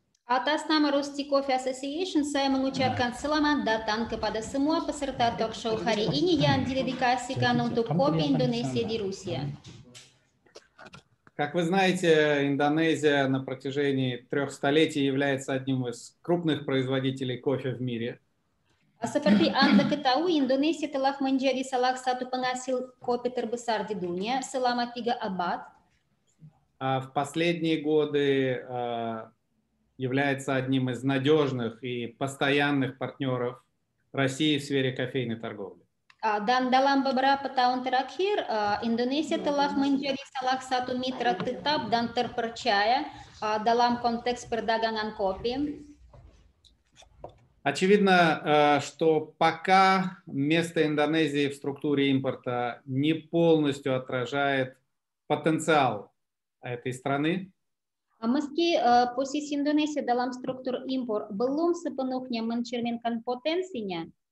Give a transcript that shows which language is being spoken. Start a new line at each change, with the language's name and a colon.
Indonesian: Atasnama Rusty Coffee Association saya mengucapkan selamat datang kepada semua peserta ток-шоу hari ini yang didedikasikan untuk kopi Indonesia di Rusia.
Russian: Как вы знаете, Индонезия на протяжении трех столетий является одним из крупных производителей кофе в мире.
Indonesian: Seperti Anda ketahui, Indonesia telah menjadi salah satu penghasil kopi terbesar di dunia selama tiga abad.
Russian: В последние годы является одним из надежных и постоянных партнеров России в сфере кофейной торговли.
Indonesian: Dan dalam beberapa tahun terakhir, Indonesia telah menjadi salah satu mitra tetap dan terpercaya dalam konteks perdagangan kopi.
Russian: Очевидно, что пока место Индонезии в структуре импорта не полностью отражает потенциал этой страны.
Indonesian: Meski posisi Indonesia dalam struktur impor belum sepenuhnya mencerminkan potensinya.